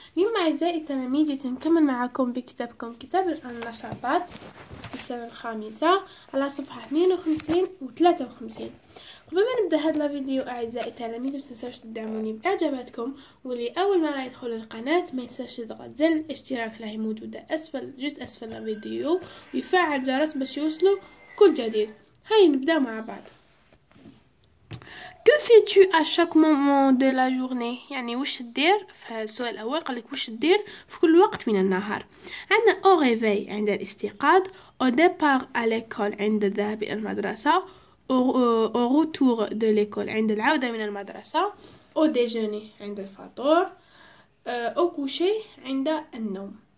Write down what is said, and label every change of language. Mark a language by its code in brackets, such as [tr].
[ar] مما أعزائي التلاميذ نكمل معكم بكتابكم، كتاب النشاطات السنة الخامسة على صفحة 52 و53. قبل ما نبدأ هذا الفيديو أعزائي التلاميذ، ما تنساوش تدعموني بإعجاباتكم، واللي أول مرة يدخل القناة ما ينساش يضغط زر الاشتراك اللي موجودة أسفل جزء أسفل الفيديو، ويفعل الجرس باش يوصله كل جديد. هيا نبدأ مع بعض. [fr] Que fais-tu à chaque moment de la journée? [ar] يعني وش تدير في السؤال الأول؟ قال لك وش تدير في كل وقت من النهار. عندنا [fr] au réveil [ar] عند الاستيقاظ، [fr] au départ à l'école [ar] عند الذهاب إلى المدرسة، [fr] au retour de l'école [ar] عند العودة من المدرسة، [fr] au déjeuner [ar] عند الفطور، [fr] au coucher [ar] عند النوم.